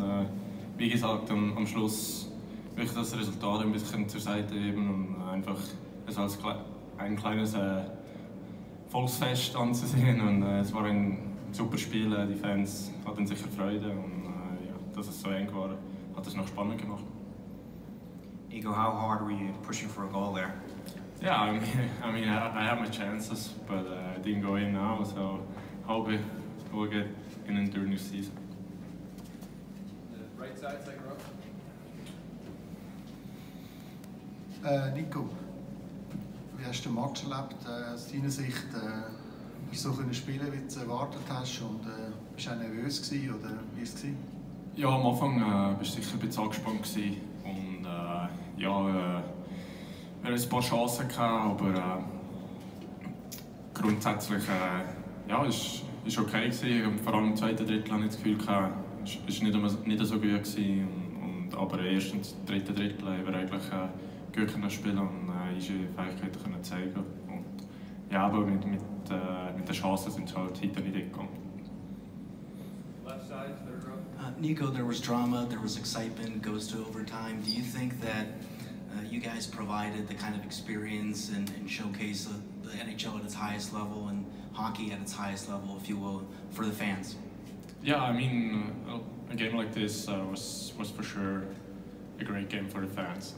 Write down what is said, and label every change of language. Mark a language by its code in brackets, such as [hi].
[de] Und wie gesagt, am Schluss will ich das Resultat ein bisschen zur Seite geben und einfach es als ein kleines Volksfest anzusehen. Und es war ein super Spiel. Die Fans hatten sicher Freude. Und ja, dass es so eng war, hat es noch spannend gemacht. [en] Igo, how hard were you pushing for a goal there? Yeah, I had my chances, but I didn't go in now, so hope we'll get in during the new season. The right side, second row. [de] Nico, wie hast du den Match erlebt? Aus deiner Sicht, hast du so können spielen, wie du erwartet hast, und bist du auch nervös gewesen, oder wie ist es gewesen? Ja, am Anfang bist du sicher ein bisschen angespannt gewesen, und ja, wir hatten ein paar Chancen gehabt, aber grundsätzlich ja, ist okay gewesen. Vor allem im zweiten Drittel hatte ich das Gefühl, es war nicht so gut gewesen, aber erst im dritten Drittel haben wir eigentlich gut können spielen und unsere Fähigkeiten können zeigen. Und ja, aber mit den Chancen sind sie halt hinter nicht gekommen. [en] Nico, there was drama, there was excitement, goes to overtime. Do you think that you guys provided the kind of experience and showcase of the NHL at its highest level and hockey at its highest level, if you will, for the fans? Yeah, I mean, a game like this was for sure a great game for the fans.